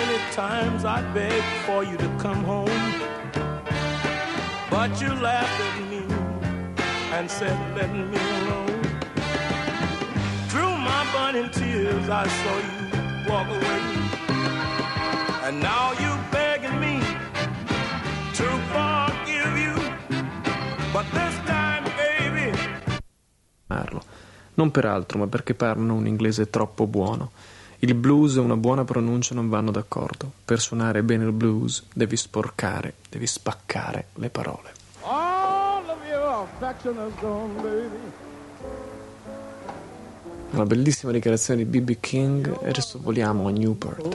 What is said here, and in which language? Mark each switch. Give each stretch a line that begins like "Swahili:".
English: Times I beg for you to come home, but you laughed at me and said, let me alone. Through my burning tears, I saw you walk away, and now you're begging me to forgive you. But this time, baby,
Italian: parlo non per altro, ma perché parlo un inglese troppo buono. Il blues e una buona pronuncia non vanno d'accordo. Per suonare bene il blues, devi sporcare, devi spaccare le parole.
English: All of you affection is gone, baby.
Italian: Una bellissima dichiarazione di B.B. King, e adesso voliamo a Newport.